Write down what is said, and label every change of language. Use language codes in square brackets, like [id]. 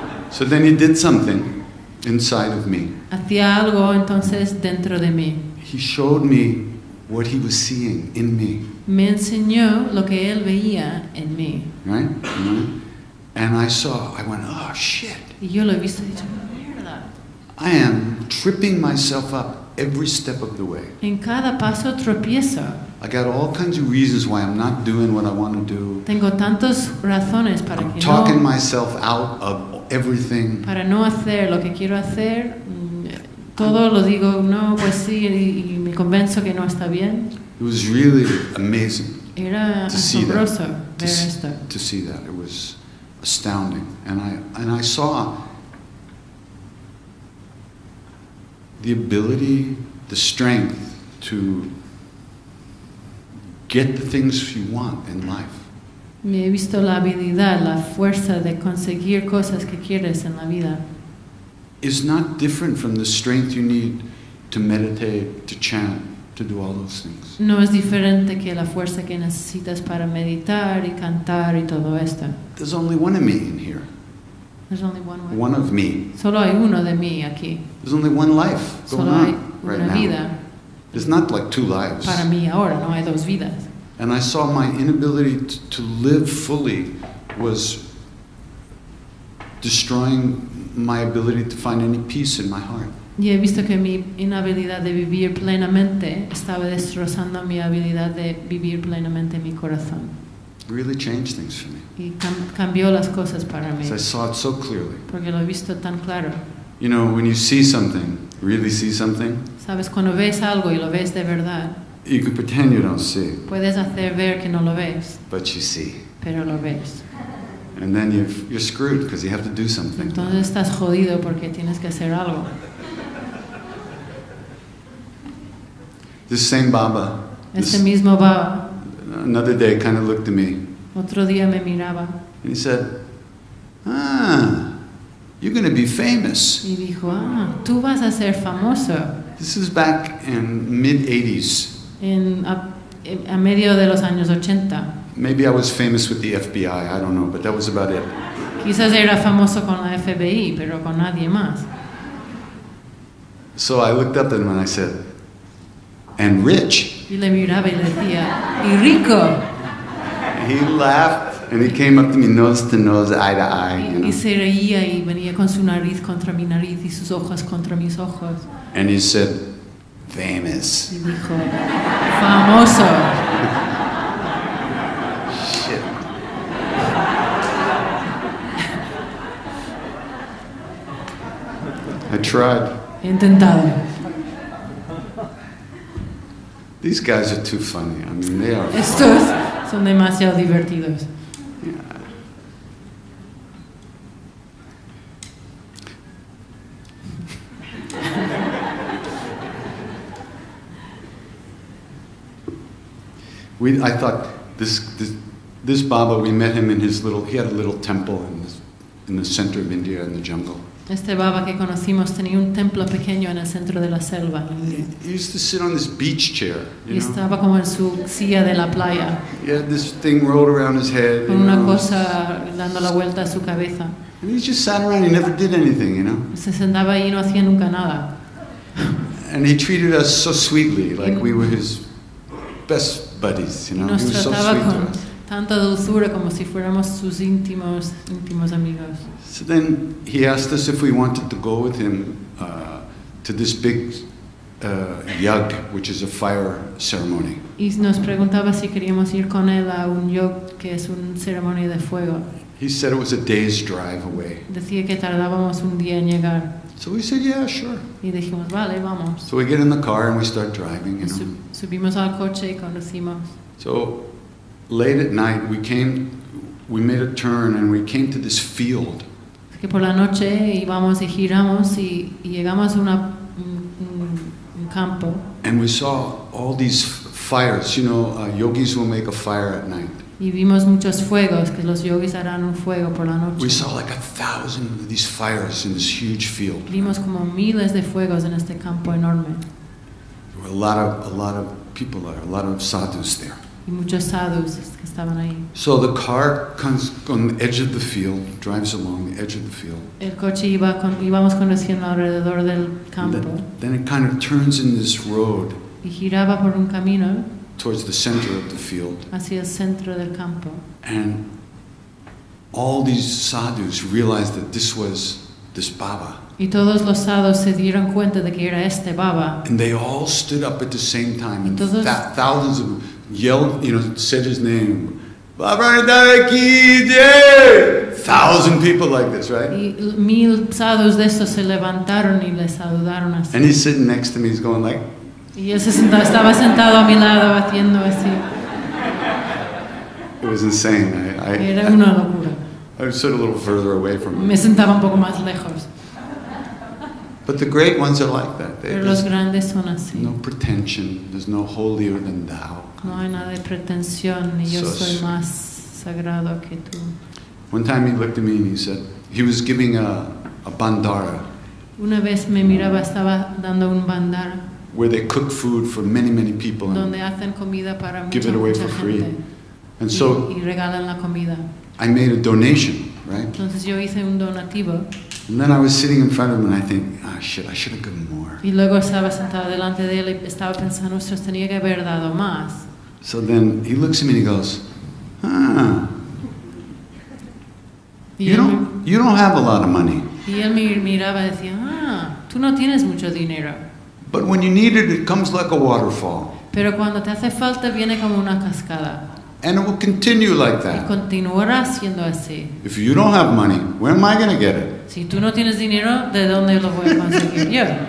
[en] So then he did something inside of me. [es] Hacía algo entonces dentro de mí. [en] He showed me what he was seeing in me. [es] Me enseñó lo que él veía en mí. [en] Right? Mm-hmm. And I saw, I went, oh shit. [es] Y yo lo he visto y dicho, mierda. [en] I am tripping myself up every step of the way. [es] En cada paso tropiezo. [en] I got all kinds of reasons why I'm not doing what I want to do. [es] Tengo tantas razones para [en] I'm [es] que [en] talking [es] no, [en] myself out of everything. [es] Para no hacer lo que quiero hacer. Todo lo digo, no, pues sí, y me convenzo que no está bien. [en] It was really amazing. [es] Era asombroso ver esto. [en] To see that, it was astounding. And I saw the ability, the strength to get the things you want in life. [es] Me he visto la habilidad, la fuerza de conseguir cosas que quieres en la vida. [en] Is not different from the strength you need to meditate, to chant, to do all those things. [es] No es diferente que la fuerza que necesitas para meditar y cantar y todo esto. [en] There's only one of me in here. There's only one way. One of me. [es] Solo hay uno de mí aquí. [en] There's only one life going [es] solo hay [en] on right [es] una [en] now. [es] Vida. [en] It's not like two lives. [es] Para mí ahora no hay dos vidas. [en] And I saw my inability to live fully was destroying my ability to find any peace in my heart. [es] Y he visto que mi inhabilidad de vivir plenamente estaba destrozando mi habilidad de vivir plenamente en mi corazón. [en] Really changed things for me. [es] Y cambió las cosas para mí. [en] I saw it so clearly. [es] Porque lo he visto tan claro. [en] You know, when you see something, really see something. [es] Sabes cuando ves algo y lo ves de verdad. [en] You can pretend you don't see. [es] Puedes hacer ver que no lo ves. [en] But you see. [es] Pero lo ves. [en] And then you're screwed because you have to do something. [es] Entonces estás jodido porque tienes que hacer algo. [en] This same Baba. [es] Este mismo Baba. [en] Another day, kind of looked at me. [es] Otro día me miraba. [en] And he said, "Ah, you're going to be famous." [es] Y dijo, "Ah, tú vas a ser famoso." [en] This is back in mid '80s. [es] A medio de los años 80. [en] Maybe I was famous with the FBI, I don't know, but that was about it. [es] Quizás era famoso con la FBI, pero con nadie más. [en] So I looked up at him and I said, "And rich." [es] Y le miraba y le decía, "Y rico." [en] He laughed and he came up to me nose to nose, eye to eye. [es] Y, [en] you know? [es] Y se reía y venía con su nariz contra mi nariz y sus ojos contra mis ojos. [en] And he said, "Famous." [es] Y dijo, "Famoso." [en] I tried. [es] Intentado. [en] These guys are too funny. I mean, they are. [es] Estos son demasiado divertidos. [en] I thought this Baba, we met him in his little, he had a little temple in the center of India in the jungle. [es] Este Baba que conocimos tenía un templo pequeño en el centro de la selva. [en] He used to sit on this beach chair. [es] Y estaba como en su silla de la playa. [en] He had this thing rolled around his head. [es] Con una cosa dando la vuelta a su cabeza. [en] And he just sat around, he never did anything, you know. [es] Se sentaba ahí y no hacía nunca nada. [en] And he treated us so sweetly, like we were his best buddies, you know. [es] Nos trataba [en] so sweet [es] con tanta dulzura como si fuéramos sus íntimos amigos. [en] So then he asked us if we wanted to go with him to this big yag, which is a fire ceremony. [es] Y nos preguntaba si queríamos ir con él a un yag que es una ceremonia de fuego. [en] He said it was a day's drive away. [es] Decía que tardábamos un día en llegar. [en] So we said, yeah, sure. [es] Y dijimos, vale, vamos. [en] So we get in the car and we start driving. You know. [es] Subimos al coche y conducimos. [en] So late at night we came, we made a turn and we came to this field. [es] Es que por la noche íbamos y giramos y llegamos a un campo. [en] And we saw all these fires. You know, yogis will make a fire at night. [es] Y vimos muchos fuegos, que los yogis harán un fuego por la noche. [en] We saw like a thousand of these fires in this huge field. [es] Vimos como miles de fuegos en este campo enorme. [en] There were a lot of people there, a lot of sadhus there. [es] Y muchos sadhus que estaban ahí. [en] So the car comes on the edge of the field, drives along the edge of the field. [es] El coche íbamos conduciendo alrededor del campo. [en] Then it kind of turns in this road. [es] Y giraba por un camino. [en] Towards the center of the field. [es] Hacia el centro del campo. [en] And all these sadhus realized that this was this Baba. [es] Y todos los sadhus se dieron cuenta de que era este Baba. [en] And they all stood up at the same time, and thousands of yelled, you know, said his name. Baba Daki Jai! Thousand people like this, right? [es] Y mil sadhus de estos se levantaron y les saludaron así. [en] And he's sitting next to me, he's going like, [es] y él estaba sentado a mi lado haciendo así. [en] It was insane. [es] Era una locura. [en] I was sort of a little further away from him. [es] Me sentaba un poco más lejos. [en] But the great ones are like that. [es] Pero los grandes son así. [en] No pretension. There's no holier than thou. [es] No hay nada de pretensión. Ni yo soy más sagrado que tú. [en] One time he looked at me and he said, he was giving a bandara. [es] Una vez me miraba, estaba dando un bandara. [en] Where they cook food for many, many people and [es] donde hacen comida para [en] give it away [es] mucha [en] for free. And so [es] y regalan la comida. [en] I made a donation, right? [es] Entonces yo hice un donativo. [en] And then I was sitting in front of him and I think, ah, shit, I should have given more. [es] Y luego estaba sentado delante de él y estaba pensando, ostras, tenía que haber dado más. [en] So then he looks at me and he goes, you don't have a lot of money. [es] Y él me miraba y decía, tú no tienes mucho dinero. [en] But when you need it, it comes like a waterfall. [es] Pero cuando te hace falta, viene como una cascada. [en] And it will continue like that. [es] Y continuará siendo así. [en] If you don't have money, where am I going to get it? [es] Si tú no tienes dinero, ¿de dónde lo voy a conseguir yo?